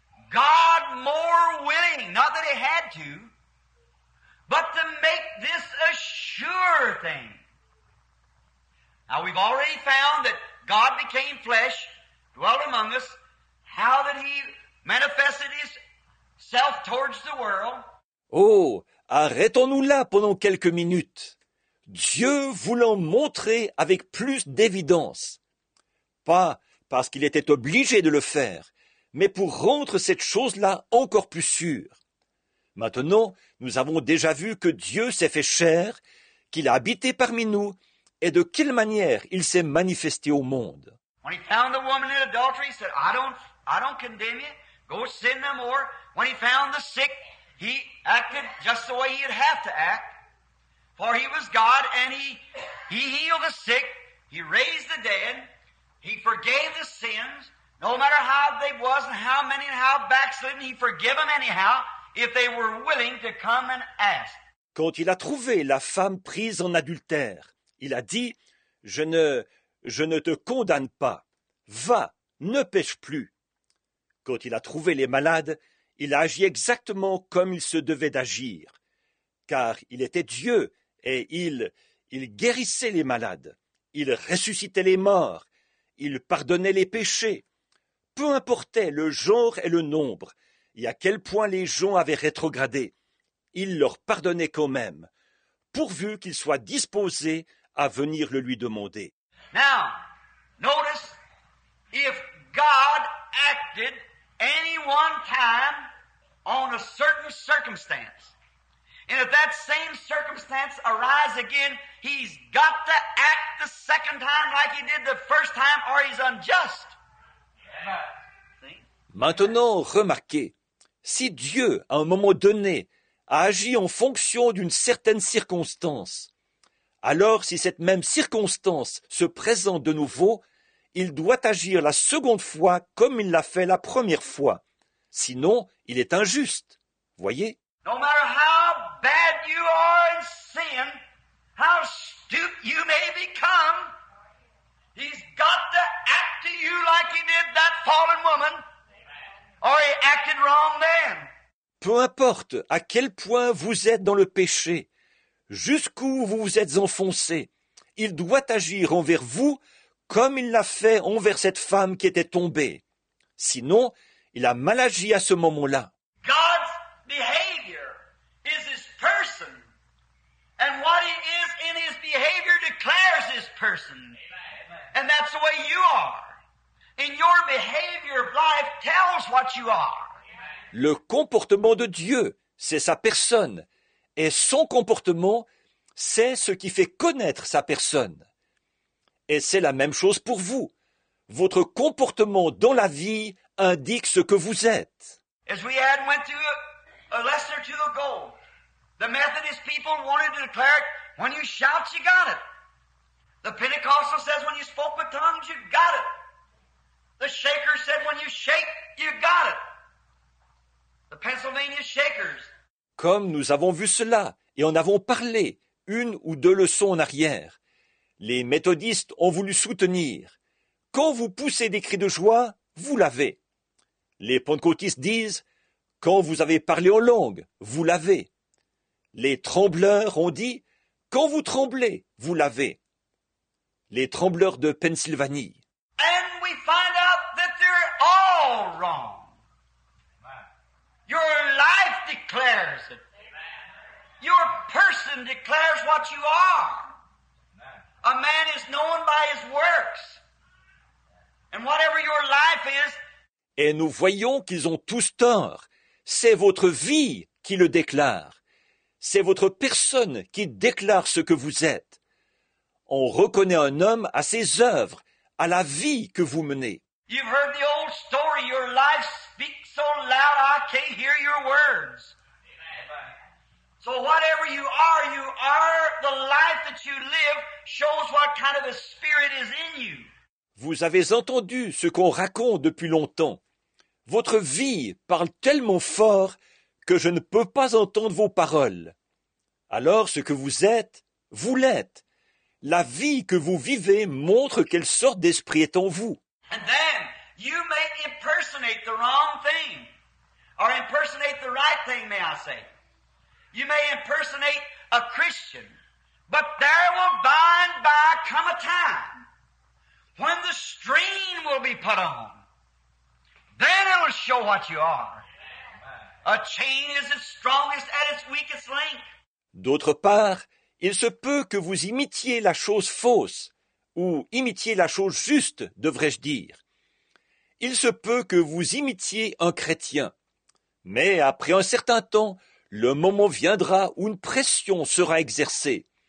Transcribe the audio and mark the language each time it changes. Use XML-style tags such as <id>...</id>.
<en>God more willing, not that he had to, but to make this a sure thing. Now we've already found that God became flesh, dwelt among us, how that he manifested his self towards the world.</en> <fr>Oh, arrêtons-nous là pendant quelques minutes. Dieu voulant montrer avec plus d'évidence, pas parce qu'il était obligé de le faire, mais pour rendre cette chose-là encore plus sûre. Maintenant, nous avons déjà vu que Dieu s'est fait chair, qu'il a habité parmi nous, et de quelle manière il s'est manifesté au monde.</fr> <en>When he found the woman in adultery, he said, I don't condemn you, go sin no more. When he found the sick, he acted just the way he'd have to act. For he was God, and he healed the sick, he raised the dead, he forgave the sins, no matter how they was and how many and how backslidden, he forgave them anyhow, if they were willing to come and ask.</en> <fr>Quand il a trouvé la femme prise en adultère, il a dit, je ne te condamne pas, va, ne pêche plus. Quand il a trouvé les malades, il a agi exactement comme il se devait d'agir, car il était Dieu. Et il guérissait les malades, il ressuscitait les morts, il pardonnait les péchés. Peu importait le genre et le nombre, et à quel point les gens avaient rétrogradé, il leur pardonnait quand même, pourvu qu'ils soient disposés à venir le lui demander.</fr> <en>Now, notice, if God acted any one time on a certain circumstance, and if that same circumstance arise again, he's got to act the second time like he did the first time, or he's unjust.</en> <fr>Maintenant, remarquez, si Dieu, à un moment donné, a agi en fonction d'une certaine circonstance, alors si cette même circonstance se présente de nouveau, il doit agir la seconde fois comme il l'a fait la première fois. Sinon, il est injuste. Voyez?</fr> <en>No matter how bad you are in sin, how stupid you may become, he's got to act to you like he did that fallen woman, or he acted wrong then.</en> <fr>Peu importe à quel point vous êtes dans le péché, jusqu'où vous vous êtes enfoncé, il doit agir envers vous comme il l'a fait envers cette femme qui était tombée. Sinon, il a mal agi à ce moment-là.</fr> <en>God's behavior is his person, and what he is in his behavior declares his person. Amen. And that's the way you are. In your behavior of life tells what you are.</en> <fr>Le comportement de Dieu, c'est sa personne, et son comportement, c'est ce qui fait connaître sa personne. Et c'est la même chose pour vous. Votre comportement dans la vie indique ce que vous êtes.</fr> <en>As we had went through a lesson or two ago, the Methodist people wanted to declare it, when you shout, you got it. The Pentecostal says, when you spoke with tongues, you got it. The Shaker said, when you shake, you got it. The Pennsylvania Shakers.</en> <fr>Comme nous avons vu cela et en avons parlé une ou deux leçons en arrière, les méthodistes ont voulu soutenir. Quand vous poussez des cris de joie, vous l'avez. Les pentecôtistes disent, quand vous avez parlé en langue, vous l'avez. Les trembleurs ont dit, quand vous tremblez, vous l'avez. Les trembleurs de Pennsylvanie.</fr> <en>And we find out that they're all wrong. Your life declares it. Amen. Your person declares what you are. Amen. A man is known by his works. And whatever your life is.</en> <fr>Et nous voyons qu'ils ont tous tort. C'est votre vie qui le déclare. C'est votre personne qui déclare ce que vous êtes. On reconnaît un homme à ses œuvres, à la vie que vous menez.</fr> <en>You've heard the old story, your life speaks so loud I can't hear your words. Amen. So whatever you are the life that you live shows what kind of a spirit. Spirit is in you.</en> <fr>Vous avez entendu ce qu'on raconte depuis longtemps. Votre vie parle tellement fort que je ne peux pas entendre vos paroles. Alors ce que vous êtes, vous l'êtes. La vie que vous vivez montre quelle sorte d'esprit est en vous.</fr> <en>And then you may impersonate the wrong thing, or impersonate the right thing, may I say. You may impersonate a Christian, but there will by and by come a time when the strain will be put on. Then it will show what you are. A chain is its strongest at its weakest link.</en> <fr>D'autre part, il se peut que vous imitiez la chose fausse, ou imitiez la chose juste, devrais-je dire. Il se peut que vous imitiez un chrétien. Mais après un certain temps, le moment viendra où une pression sera exercée.</fr>